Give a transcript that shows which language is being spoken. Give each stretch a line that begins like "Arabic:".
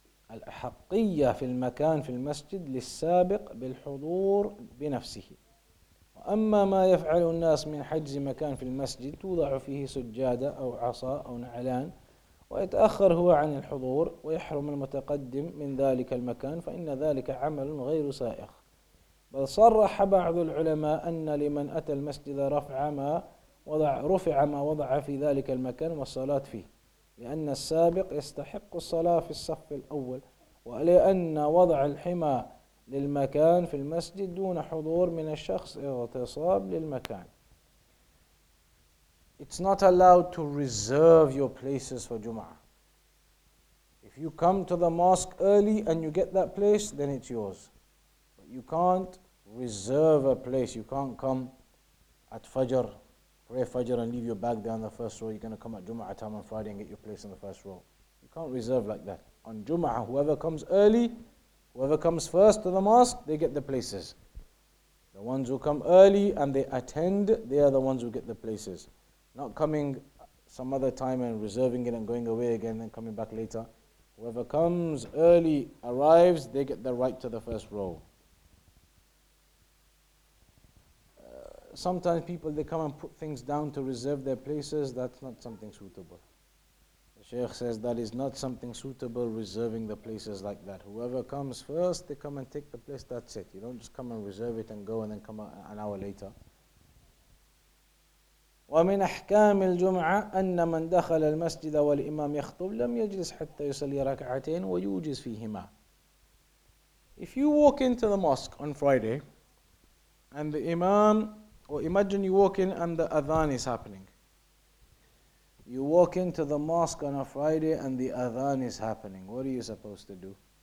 Arabic: والأحقية في المكان في المسجد للسابق بالحضور بنفسه وأما ما يفعل الناس من حجز مكان في المسجد توضع فيه سجادة أو عصا أو نعلان ويتأخر هو عن الحضور ويحرم المتقدم من ذلك المكان فإن ذلك عمل غير سائغ بل صرح بعض العلماء أن لمن أتى المسجد رفع ما وضع في ذلك المكان والصلاة فيه لأن السابق يستحق الصلاة في الصف الأول ولأن وضع الحمى للمكان في المسجد دون حضور من الشخص اغتصاب للمكان.
English: It's not allowed to reserve your places for Jum'ah. If you come to the mosque early and you get that place, then it's yours. But you can't reserve a place. You can't come at Fajr, pray Fajr and leave your bag there on the first row. You're going to come at Jum'ah time on Friday and get your place in the first row. You can't reserve like that. On Jum'ah, whoever comes early, whoever comes first to the mosque, they get the places. The ones who come early and they attend, they are the ones who get the places. Not coming some other time and reserving it and going away again and coming back later. Whoever comes early, arrives, they get the right to the first row. Sometimes people, they come and put things down to reserve their places. That's not something suitable. The Sheikh says that is not something suitable, reserving the places like that. Whoever comes first, they come and take the place, that's it. You don't just come and reserve it and go and then come an hour later.
Arabic: ومن أحكام الجمعة أن من دخل المسجد والإمام يخطب لم يجلس حتى يصلي ركعتين ويوجز فيهما.
English: If you walk into the mosque on Friday and the Imam, or imagine you walk in and the Adhan is happening. You walk into the mosque on a Friday and the Adhan is happening. What are you supposed to do?